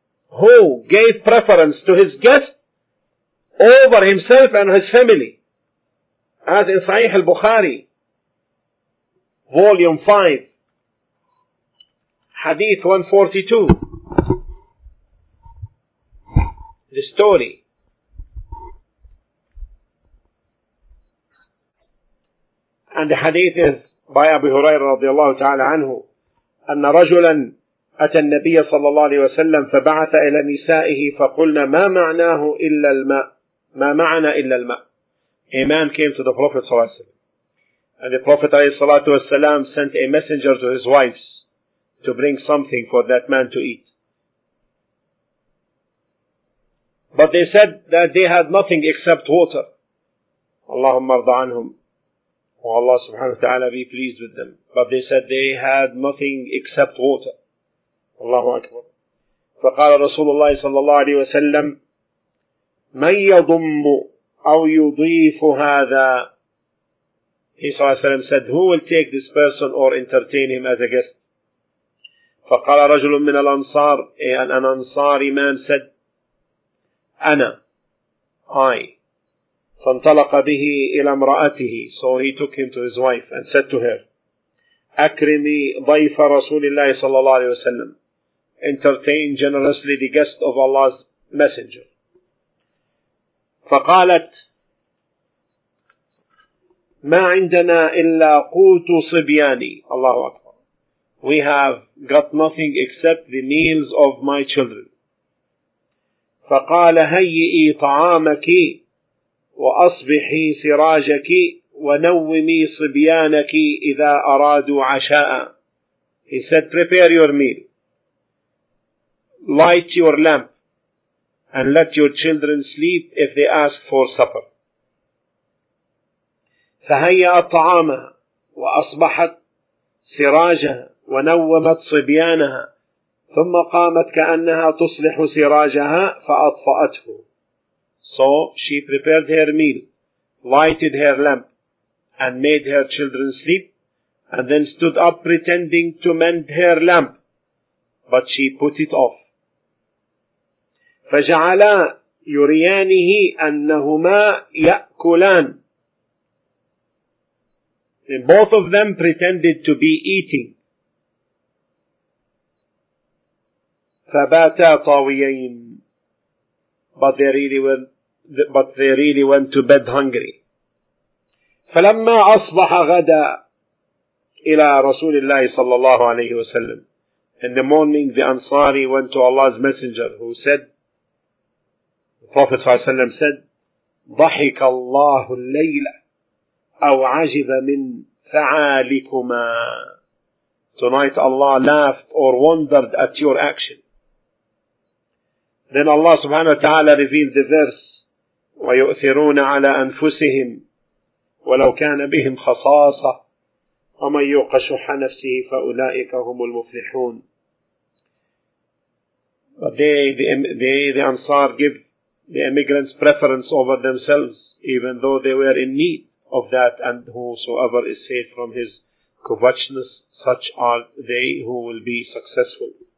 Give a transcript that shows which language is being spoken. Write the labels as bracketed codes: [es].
[en] who gave preference to his guest over himself and his family, as in Sahih al-Bukhari, volume 5, hadith 142, the story. And the hadith is by Abu Hurairah radiallahu ta'ala anhu, [ar] أن رجلا أتى النبي صلى الله عليه وسلم فبعث إلى نسائه فقلنا ما معناه إلا الماء ما معنى إلا الماء. [en] A man came to the Prophet صلى الله عليه وسلم, and the Prophet عليه الصلاة والسلام sent a messenger to his wives to bring something for that man to eat, but they said that they had nothing except water. [ar] اللهم ارضى عنهم. [en] Oh Allah subhanahu wa ta'ala be pleased with them. But they said they had nothing except water. [ar] Allahu Akbar. فقال رسول الله صلى الله عليه وسلم من يضم أو يضيف هذا. [en] He صلى الله عليه وسلم said, who will take this person or entertain him as a guest? [ar] فقال رجل من الأنصار, [en] an Ansari man said, [ar] أنا, [en] I. [ar] فانطلق به إلى امرأته. [en] So he took him to his wife and said to her, [ar] أكرمي ضيف رسول الله صلى الله عليه وسلم. [en] Entertain generously the guest of Allah's messenger. [ar] فقالت ما عندنا إلا قوت صبياني. الله أكبر. [en] We have got nothing except the meals of my children. [ar] فقال هيئي طعامك وأصبحي سراجك ونومي صبيانك إذا أرادوا عشاء. [en] He said, prepare your meal, light your lamp, and let your children sleep if they ask for supper. [ar] فهيأ طعامها وأصبحت سراجها ونومت صبيانها ثم قامت كأنها تصلح سراجها فأطفأته. [en] So she prepared her meal, lighted her lamp, and made her children sleep, and then stood up pretending to mend her lamp, but she put it off. [ar] فجعلا يريانه أنهما يأكلان. [en] And both of them pretended to be eating. [ar] فباتا طاويين. [en] But they really went to bed hungry. [ar] فلما أصبح غدا إلى رسول الله صلى الله عليه وسلم. [en] In the morning, the Ansari went to Allah's Messenger, who said, the Prophet صلى الله عليه وسلم said, [ar] ضحك الله الليلة أو عجب من فعالكما. [en] Tonight Allah laughed or wondered at your action. Then Allah subhanahu wa ta'ala revealed the verse, [ar] ويؤثرون على أنفسهم ولو كان بهم خصاصة ومن يوق شح نفسه فأولئك هم المفلحون. [en] But the Ansar give the immigrants preference over themselves, even though they were in need of that, and whosoever is saved from his covetousness, such are they who will be successful.